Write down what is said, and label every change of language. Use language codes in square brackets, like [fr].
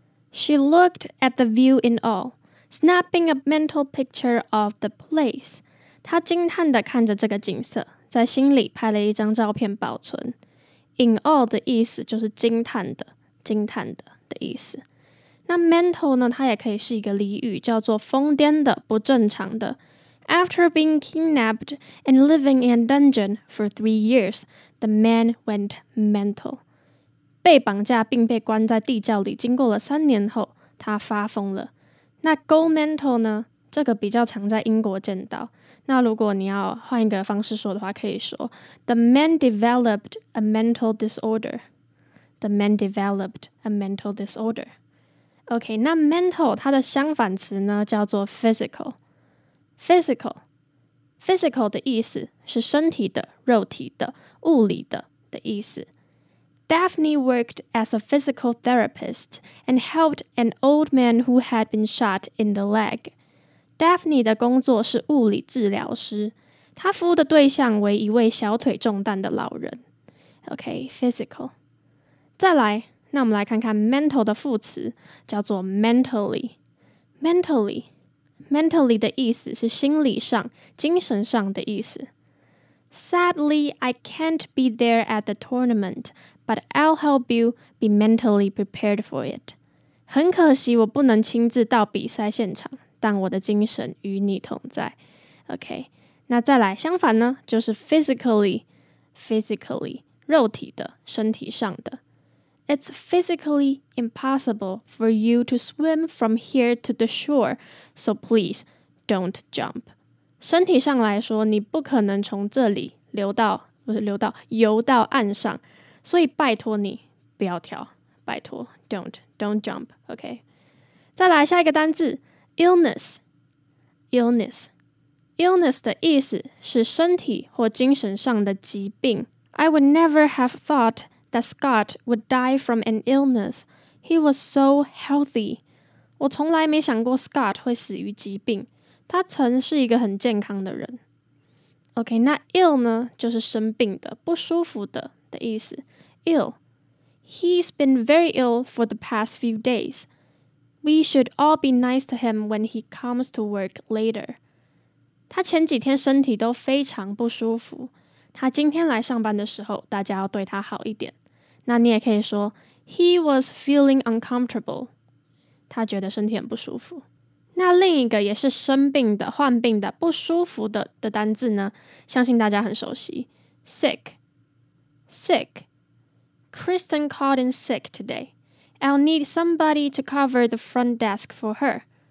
[en] She looked at the view in awe, snapping a mental picture of the place. [zh] 她惊叹地看着这个景色，在心里拍了一张照片保存。 In awe 的意思就是惊叹的、惊叹的的意思。那 mental 呢，它也可以是一个俚语，叫做疯癫的、不正常的。 [en] After being kidnapped and living in a dungeon for 3 years, the man went mental. [zh] 被绑架并被关在地窖里经过了3年后，他发疯了。那 go mental 呢？这个比较常在英国见到。那如果你要换一个方式说的话，可以说 [en] The man developed a mental disorder. The man developed a mental disorder. OK, [zh] 那 mental 它的相反词呢，叫做 [en] physical. [zh] Physical 的意思是身体的、肉体的、物理的的意思。 [en] Daphne worked as a physical therapist and helped an old man who had been shot in the leg. [zh] Daphne 的工作是物理治疗师，她服务的对象为一位小腿中弹的老人。 OK, physical. 再来，那我们来看看 mental 的副词，叫做 mentally 的意思是心理上、精神上的意思。 [en] Sadly, I can't be there at the tournament, but I'll help you be mentally prepared for it. [zh] 很可惜我不能亲自到比赛现场，但我的精神与你同在。 OK, 那再来相反呢，就是 physically 肉体的、身体上的。 [en] It's physically impossible for you to swim from here to the shore, so please don't jump. [zh] 身体上来说，你不可能从这里游到岸上，所以拜托你不要跳，拜托 [en] don't jump. [zh] OK, 再来下一个单字 illness 的意思是身体或精神上的疾病。 [en] I would never have thought that Scott would die from an illness. He was so healthy. [zh] 我从来没想过 Scott 会死于疾病，他曾是一个很健康的人。 OK, 那 ill 呢，就是生病的、不舒服的的意思。Ill. [en] He's been very ill for the past few days. We should all be nice to him when he comes to work later. [zh] 他前几天身体都非常不舒服，他今天来上班的时候，大家要对他好一点。那你也可以说 [en] He was feeling uncomfortable. [zh] 他觉得身体很不舒服。那另一个也是生病的、患病的、不舒服的的单字呢，相信大家很熟悉。 [en] Sick. Kristen called in sick today. I'll need somebody to cover the front desk for her.